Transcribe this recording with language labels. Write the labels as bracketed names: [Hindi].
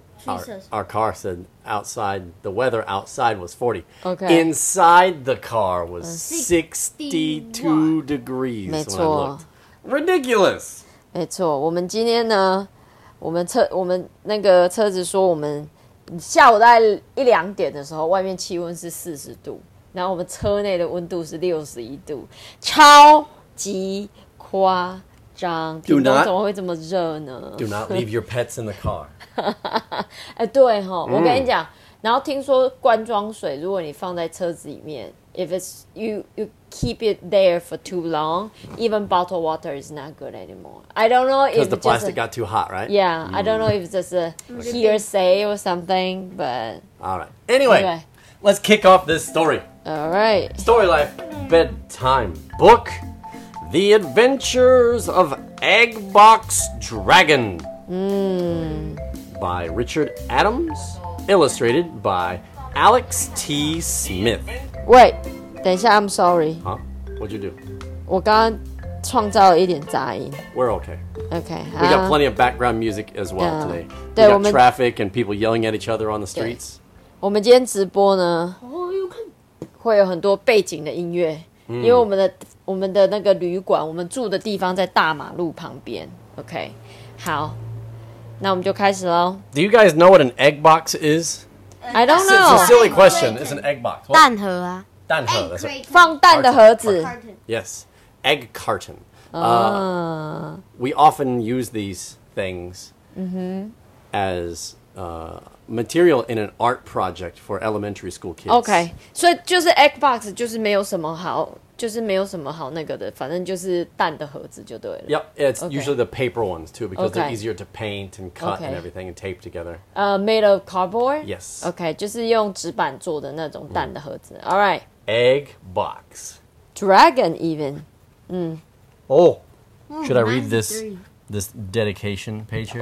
[English] Our car said outside, the weather outside was 40. Okay. Inside the car was 62 degrees when I looked. Ridiculous! [Chinese] 没错，我们今天呢，我们那个车子说我们下午大概一两点的时候，外面气温是40度，然后我们车内的温度是61度，超级夸张，屏东怎么会这么热呢？ [English] Do not leave your pets in the car. [Chinese] 哎，对哈，我跟你讲，然后听说罐装水，如果你放在车子里面 [English] ，if it's you keep it there for too long, even bottle water is not good anymore. I don't know if the plastic got too hot, right? Yeah, I don't know if it's just a hearsay or something, but all right. Anyway, let's kick off this story. All right, story life, bedtime book, The Adventures of Eggbox Dragon. By Richard Adams, illustrated by Alex T. Smith. Wait, [Chinese] 等一下 [English] I'm sorry. Huh? What'd you do? [Chinese] 我刚刚创造了一点杂音。 [English] We're okay. Okay. We got plenty of background music as well today. We got traffic and people yelling at each other on the streets. [Chinese] 我们今天直播呢，会有很多背景的音乐，因为我们的那个旅馆，我们住的地方在大马路旁边。 Okay, 好。那我们就开始咯。 [English] Do you guys know what an egg box is? I don't know. It's a silly question. It's an egg box. [Chinese] 蛋盒啊。蛋盒。That's a... 放蛋的盒子。 [English] Yes. Egg carton. We often use these things as material in an art project for elementary school kids. Okay. [Chinese] 所以就是 egg box 就是没有什么好就是没有什么好那个的，反正就是蛋的盒子就对了。 [English] Yep, it's usually the paper ones too, because they're easier to paint and cut and everything and tape together. Made of cardboard? Yes. [Chinese] Okay, 就是用纸板做的那种蛋的盒子。 [English] All right. Egg box. Dragon even. Oh, should I read this dedication page here?